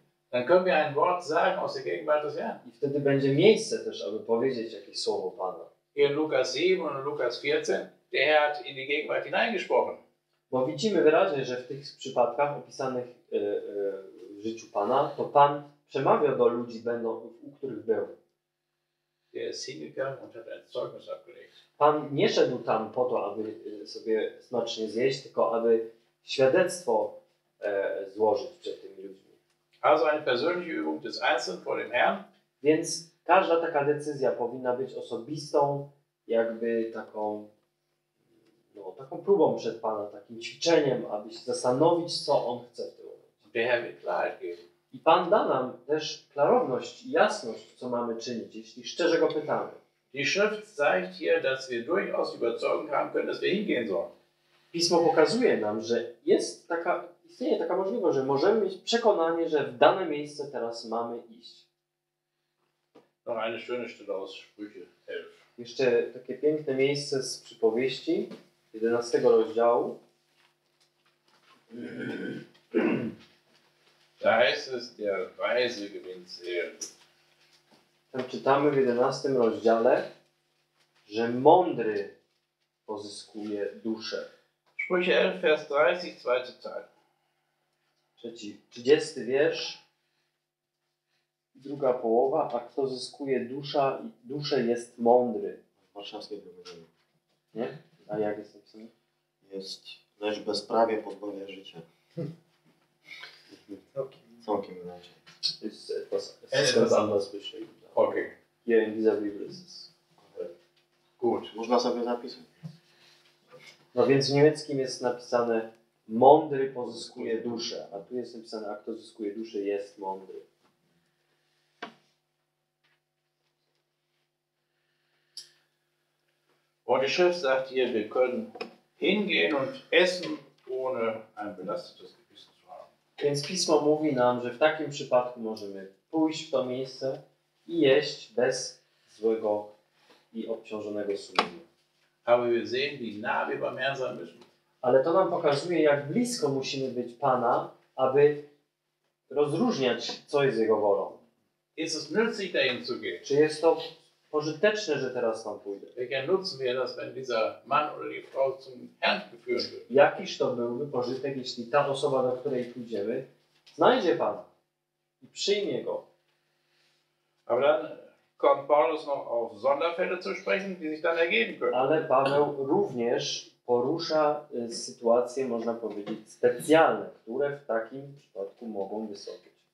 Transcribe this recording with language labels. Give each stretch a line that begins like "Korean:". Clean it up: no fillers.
German: Dann können wir ein Wort sagen aus der Gegenwart des Herrn.
Polish: I wtedy będzie miejsce też, aby powiedzieć jakieś słowo Pana.
German: In Lukas 7 und Lukas 14, der Herr hat in die Gegenwart hineingesprochen.
Polish: Bo widzimy wyraźnie, że w tych przypadkach opisanych w życiu Pana, to Pan przemawiał do ludzi, u których był.
German: Der ist hingegangen und hat ein Zeugnis abgelegt.
Polish: Pan nie szedł tam po to, aby sobie smacznie zjeść, tylko aby świadectwo złożyć przed tymi ludźmi.
German: Also eine persönliche Übung des Einzelnen vor dem Herrn.
Polish: Więc każda taka decyzja powinna być osobistą, jakby taką, no, taką próbą przed Pana, takim ćwiczeniem, aby się zastanowić, co On chce w tym momencie. I Pan da nam też klarowność i jasność, co mamy czynić, jeśli szczerze Go pytamy.
German: Die Schrift zeigt hier, dass wir durchaus überzeugung haben können, dass wir hingehen sollen.
Polish: Pismo pokazuje nam, że istnieje taka możliwość, że możemy mieć przekonanie, że w dane miejsce teraz mamy iść.
German: Noch eine schöne Stelle aus Sprüche 11.
Polish: Jeszcze takie piękne miejsce z przypowieści 11 rozdziału.
German: Da heißt es, der Weise gewinnt Seelen.
Polish: Tam czytamy w 11 rozdziale, że mądry pozyskuje duszę.
German: Sprüche 11, Vers 30, zweite Teil.
Polish: 30 wiersz, druga połowa, a kto zyskuje duszę jest mądry. Warszawskie wyobrażenie. Nie? A jak jest napisane? Jest, lecz bezprawie pozbawia życia. Całkiem inaczej. To jest
German: etwas anders. Okej. Hier in dieser Bibel ist es.
Polish: Można sobie zapisać. No więc w niemieckim jest napisane mądry pozyskuje duszę, a tu jest napisane, a kto zyskuje duszę, jest mądry.
German: Und die Schrift sagt hier, wir können hingehen und essen, ohne ein belastetes Gewissen zu haben.
Polish: Więc Pismo mówi nam, że w takim przypadku możemy pójść w to miejsce i jeść bez złego i obciążonego sumienia.
German: Aber wir sehen, wie nah wir beim Herrn sein müssen.
Polish: Ale to nam pokazuje, jak blisko musimy być Pana, aby rozróżniać, co jest Jego wolą.
German: Ist es nützlich, dahin zu gehen?
Polish: Czy jest to pożyteczne, że teraz tam pójdę?
German: Welcher Nutzen wäre das, wenn dieser Mann oder die Frau zum Herrn geführt wird?
Polish: Jakiż to byłby pożytek, jeśli ta osoba, do której pójdziemy, znajdzie Pana i przyjmie Go.
German: Aber dann kommt Paulus noch auf Sonderfälle zu sprechen, die sich dann ergeben können.
Polish: Ale Paweł również porusza sytuacje, można powiedzieć, specjalne, które w takim przypadku mogą wystąpić.